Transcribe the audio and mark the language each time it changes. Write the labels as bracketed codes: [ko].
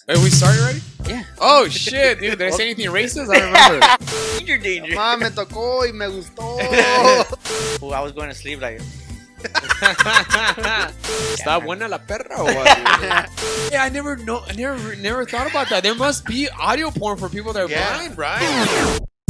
[en] Are we starting already? Yeah. Oh, shit, dude. Did I say anything racist? I don't remember. Danger, danger. [es] Mom, me tocó y me gustó. [en] Ooh, I was going to sleep like... [es] Está buena la perra o what? [en] Yeah, I never thought about that. There must be audio porn for people that are blind, right?